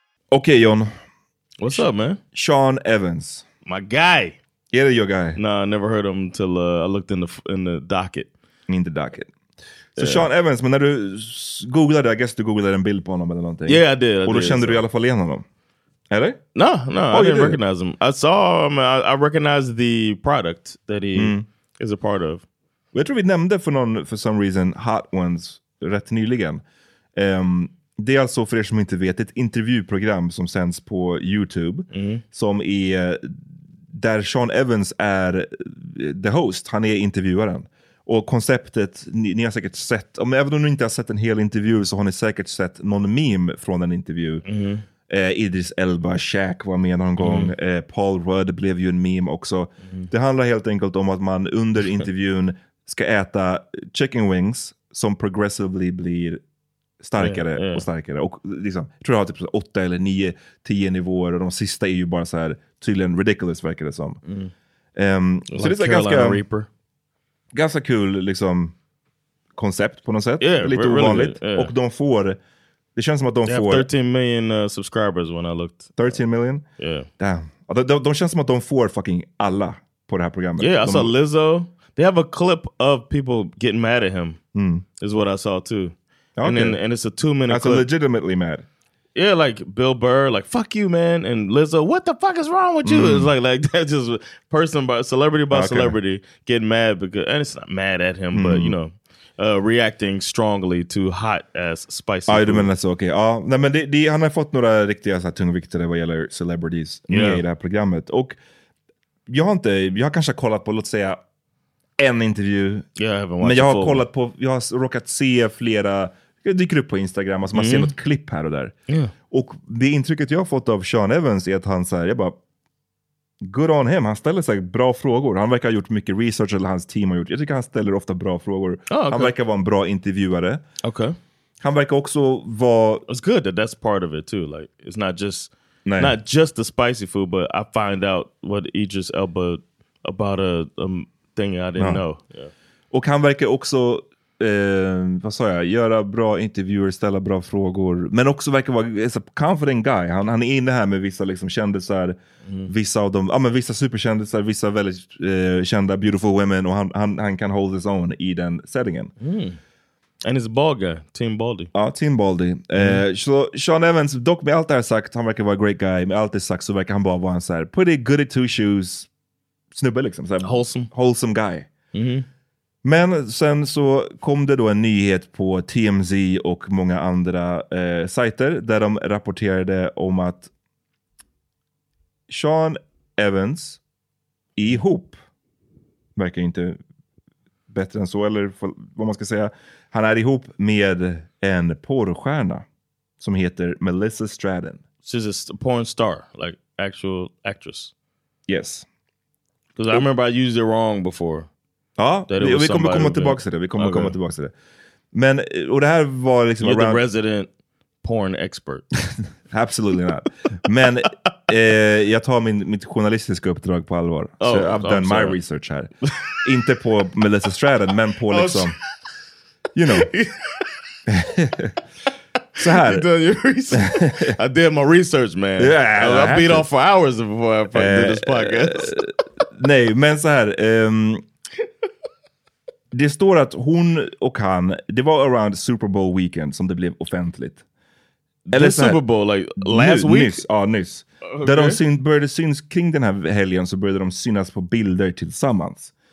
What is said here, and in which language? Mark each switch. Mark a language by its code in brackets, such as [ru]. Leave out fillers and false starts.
[sv] Okej, John. [en] What's up, man? Sean Evans. My guy. Yeah, your guy. Nah, I never heard him until I looked in the docket. In the docket. So yeah. [sv] Sean Evans, men när du googlade, [en] I guess [sv] du googlade en bild på honom eller någonting. [en] Yeah, I did. [sv] Och då kände du i alla fall igen honom. Eller? [en] No, I didn't recognize him. I saw him, I recognized the product that he is a part of. [sv] Jag tror vi nämnde [en] for some reason [sv] Hot Ones rätt nyligen. Det är alltså, för er som inte vet, ett intervjuprogram som sänds på YouTube. Mm. Som är där Sean Evans är [en] the host. [sv] Han är intervjuaren. Och konceptet, ni har säkert sett, om även om ni inte har sett en hel intervju så har ni säkert sett någon meme från en intervju. Idris Elba, Shaq var med någon gång. Paul Rudd blev ju en meme också. Mm. Det handlar helt enkelt om att man under intervjun ska äta chicken wings som progressively blir starkare och starkare. Och liksom, jag tror jag har typ 8 eller 9, 10 nivåer. Och de sista är ju bara så här tydligen ridiculous, verkar det som. Så like det är så ganska Reaper. Ganska kul liksom koncept på något sätt. Lite really ovanligt. Och de får, det känns som att de [en] they [sv] får [en] 13 million subscribers when I looked. 13 million? Yeah. Damn. [sv] De känns som att de får fucking alla på det här programmet. [en] Yeah, I saw Lizzo. They have a clip of people getting mad at him. Is what I saw too. Okay. And it's a 2-minute clip. That's legitimately mad. Yeah, like Bill Burr, like, fuck you, man. And Lizzo, what the fuck is wrong with you? It's like that just person by celebrity by celebrity getting mad. Because, and it's not mad at him, but, you know, reacting strongly to hot as spicy. [sv] Ja, du menar så, okej. Nej, men han har fått några riktiga så här tungviktare vad gäller celebrities med i det här programmet. Och jag har kanske kollat på, låt säga, en intervju. [en] Yeah, I haven't watched [sv] men jag har kollat på, jag har råkat se flera. Jag dyker upp på Instagram, alltså man ser något klipp här och där. [en] Yeah. [sv] Och det intrycket jag har fått av Sean Evans är att han säger, jag bara, [en] good on him. [sv] Han ställer så här bra frågor. Han verkar ha gjort mycket research, eller hans team har gjort. Jag tycker han ställer ofta bra frågor. [en] Oh, okay. [sv] Han verkar vara en bra intervjuare. [en] Okay. [sv] Han verkar också vara... [en] It's good that that's part of it too. Like, it's not just, not just the spicy food, but I find out what Idris Elba about a thing I didn't know. Yeah. [sv] Och han verkar också... vad sa jag, göra bra intervjuer, ställa bra frågor, men också verkar vara så [en] confident guy. [sv] Han är inne här med vissa liksom kändisar, vissa av dem, men vissa superkändisar, vissa väldigt kända [en] beautiful women, [sv] och han kan [en] hold his own [sv] i den settingen. [en] And it's Balga, Team Baldy. [sv] Ja, Team Baldy. Så Sean Evans, dock med allt det här sagt, han verkar vara [en] a great guy. [sv] Med allt det sagt så verkar han bara vara en så här [en] pretty good at two shoes [sv] snubbe liksom. Så här, [en] wholesome guy. [sv] Men sen så kom det då en nyhet på TMZ och många andra sajter där de rapporterade om att Sean Evans ihop verkar inte bättre än så, eller vad man ska säga. Han är ihop med en porrstjärna som heter Melissa Stratton. [en] She's a porn star, like actual actress. Yes. Because I remember I used it wrong before. [sv] Ja, vi kommer komma tillbaka till det. Men, och det här var liksom... [en] You're the resident porn expert. Absolutely not. [sv] Men jag tar mitt journalistiska uppdrag på allvar. [en] Oh, so I've done my research här. [sv] Inte på Melissa Stratton, men på liksom... [en] You know. [sv] Så här. [en] I did my research, man. Yeah, I beat off for hours before I did this podcast. [sv] Nej, men så här... det står att hon och han, det var around Super Bowl weekend som det blev offentligt. Eller här, [en] Super Bowl, like last week? [sv] Nyss, ja, nyss. Okay. Där de började syns kring den här helgen, så började de synas på bilder tillsammans.